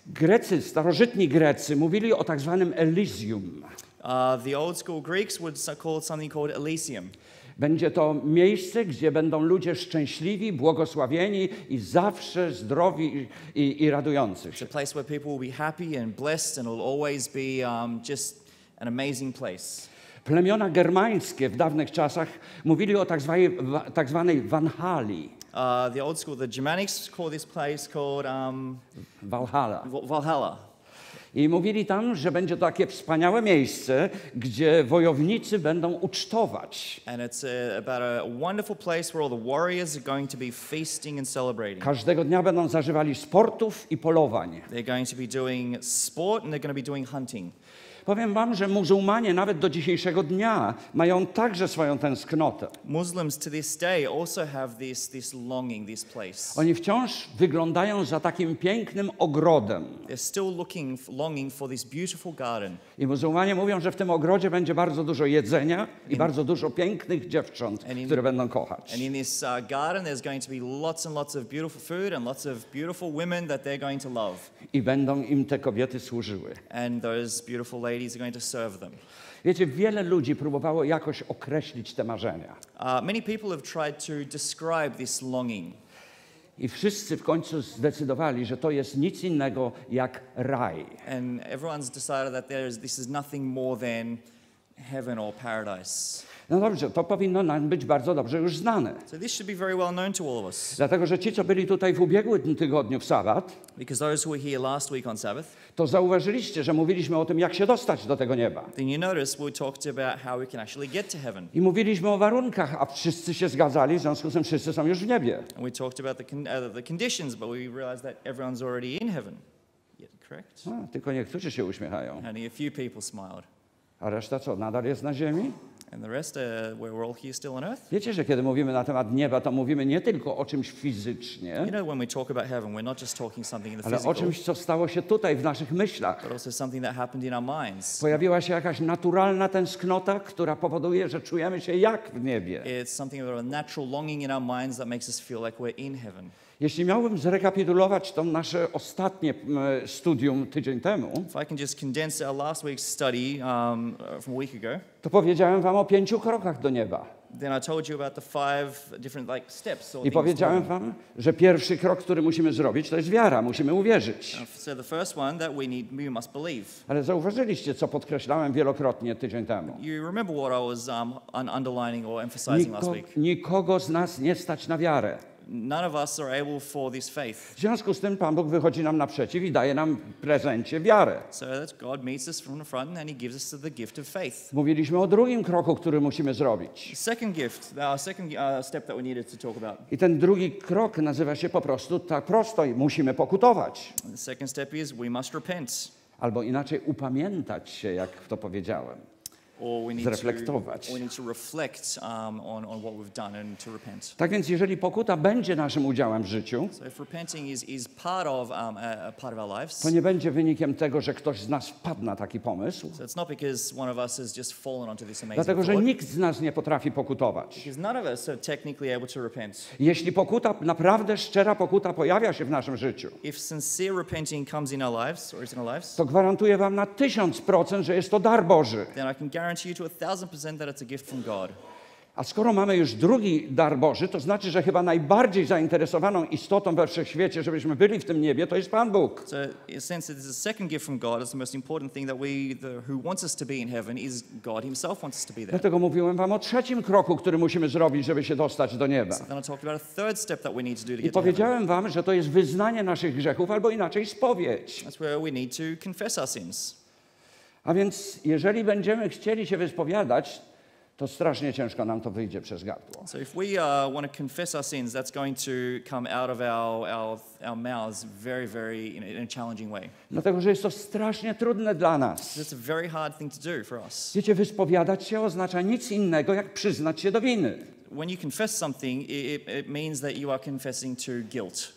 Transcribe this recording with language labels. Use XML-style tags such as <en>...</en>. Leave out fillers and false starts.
<pl>Grecy, starożytni Grecy mówili o tak zwanym Elysium.</pl> <en>The old school Greeks would call it something called Elysium.</en> <pl>Będzie to miejsce, gdzie będą ludzie szczęśliwi, błogosławieni i zawsze zdrowi i radujący się.</pl> <en>It's a place where people will be happy and blessed and it'll always be just an amazing place.</en> <pl>Plemiona germańskie w dawnych czasach mówili o tak zwanej Walhali.</pl> <en>The old school, the Germanics call this place called Valhalla. Valhalla.</en> <pl>I mówili tam, że będzie to takie wspaniałe miejsce, gdzie wojownicy będą ucztować.</pl> <en>And it's about a wonderful place where all the warriors are going to be feasting and celebrating.</en> <pl>Każdego dnia będą zażywali sportów i polowań.</pl> <en>They're going to be doing sport and they're going to be doing hunting.</en> <pl>Powiem wam, że muzułmanie nawet do dzisiejszego dnia mają także swoją tęsknotę.</pl> <en>Muslims to this day also have this longing, this place.</en> <pl>Oni wciąż wyglądają za takim pięknym ogrodem.</pl> <en>They're still looking, longing for this beautiful garden.</en> <pl>I muzułmanie mówią, że w tym ogrodzie będzie bardzo dużo jedzenia i bardzo dużo pięknych dziewcząt, które będą kochać.</pl> <en>And in this garden there's going to be lots and lots of beautiful food and lots of beautiful women that they're going to love.</en> <pl>I będą im te kobiety służyły.</pl> <en>And those beautiful ladies are going to serve them.</en> <pl>Wiecie, wiele ludzi próbowało jakoś określić te marzenia.</pl> <en>Many people have tried to describe this longing.</en> <pl>I wszyscy w końcu zdecydowali, że to jest nic innego jak raj.</pl> <en>And everyone's decided that this is nothing more than heaven or paradise.</en> <pl>No dobrze, to powinno nam być bardzo dobrze już znane.</pl> <en>So this should be very well known to all of us.</en> <pl>Dlatego, że ci, co byli tutaj w ubiegłym tygodniu w sabat,</pl> <en>because those who were here last week on Sabbath,</en> <pl>to zauważyliście, że mówiliśmy o tym, jak się dostać do tego nieba.</pl> <en>Then you noticed we talked about how we can actually get to heaven.</en> <pl>I mówiliśmy o warunkach, a wszyscy się zgadzali, w związku z tym wszyscy są już w niebie.</pl> <en>And we talked about the conditions, but we realized that everyone's already in heaven. Yeah, correct?</en> <pl>A, tylko niektórzy się uśmiechają.</pl> <en>Only a few people smiled.</en> <pl>A reszta co, nadal jest na ziemi?</pl> <en>And the rest where we're all here still on earth?</en> <pl>Wiecie, że kiedy mówimy na temat nieba, to mówimy nie tylko o czymś fizycznie.</pl> <en>You know, when we talk about heaven, we're not just talking something in the</en> <pl>ale</pl> <en>physical.</en> <pl>Ale o czymś, co stało się tutaj w naszych myślach.</pl> <en>But also something that happened in our minds.</en> <pl>Pojawiła się jakaś naturalna tęsknota, która powoduje, że czujemy się jak w niebie.</pl> <en>It's something about a natural longing in our minds that makes us feel like we're in heaven.</en> <pl>Jeśli miałbym zrekapitulować to nasze ostatnie studium tydzień temu,</pl> <en>if I can just condense our last week's study from a week ago,</en> <pl>to powiedziałem wam o pięciu krokach do nieba.</pl> <en>Then I told you about the five different like steps.</en> <pl>I powiedziałem wam, że pierwszy krok, który musimy zrobić, to jest wiara. Musimy uwierzyć.</pl> <en>So the first one that we must believe.</en> <pl>Ale zauważyliście, co podkreślałem wielokrotnie tydzień temu.</pl> <en>You remember what I was underlining or emphasizing last week?</en> <pl>Nikogo z nas nie stać na wiarę.</pl> <en>None of us are able for this faith.</en> <pl>W związku z tym Pan Bóg wychodzi nam naprzeciw i daje nam w prezencie wiarę.</pl> <en>So that God meets us from the front and he gives us the gift of faith.</en> <pl>Mówiliśmy o drugim kroku, który musimy zrobić.</pl> <en>Second gift, our second step that we needed to talk about.</en> <pl>I ten drugi krok nazywa się po prostu tak prosto i musimy pokutować.</pl> <en>The second step is we must repent.</en> <pl>Albo inaczej upamiętać się, jak to powiedziałem.</pl> <en>Or we need</en> <pl>zreflektować.</pl> <en>We need to reflect on what we've done and to repent.</en> <pl>Tak więc jeżeli pokuta będzie naszym udziałem w życiu,</pl> <en>so if repenting is part of part of our lives,</en> <pl>to nie będzie wynikiem tego, że ktoś z nas wpadł na taki pomysł.</pl> <en>So it's not because one of us has just fallen onto this amazing.</en> <pl>Dlatego,</pl> <en>thought,</en> <pl>że nikt z nas nie potrafi pokutować.</pl> <en>Because none of us are technically able to repent.</en> <pl>Jeśli pokuta, naprawdę szczera pokuta pojawia się w naszym życiu,</pl> <en>if sincere repenting comes in our lives or is in our lives,</en> <pl>to gwarantuję wam na 1000%, że jest to dar Boży.</pl> <en>Then I can guarantee you to 1000% that it's a gift from God.</en> <pl>A skoro mamy już drugi dar Boży, to znaczy, że chyba najbardziej zainteresowaną istotą we wszechświecie, żebyśmy byli w tym niebie, to jest Pan Bóg.</pl> <en>So in a sense, it's a second gift from God. It's the most important thing that who wants us to be in heaven is God himself wants us to be there.</en> <pl>Dlatego mówiłem wam o trzecim kroku, który musimy zrobić, żeby się dostać do nieba.</pl> <en>So then I talked about a third step that we need to do to get</en> <pl>to powiedziałem wam, że to jest wyznanie naszych grzechów, albo inaczej spowiedź.</pl> <en>That's where we need to confess our sins.</en> <pl>A więc, jeżeli będziemy chcieli się wyspowiadać, to strasznie ciężko nam to wyjdzie przez gardło.</pl> <en>So if we want to confess our sins, that's going to come out of our mouths very, very in a challenging way.</en> <pl>Dlatego, że jest to strasznie trudne dla nas.</pl> <en>It's a very hard thing to do for us.</en> <pl>Wiecie, wyspowiadać się oznacza nic innego, jak przyznać się do winy.</pl> <en>When you confess something, it means that you are confessing to guilt.</en>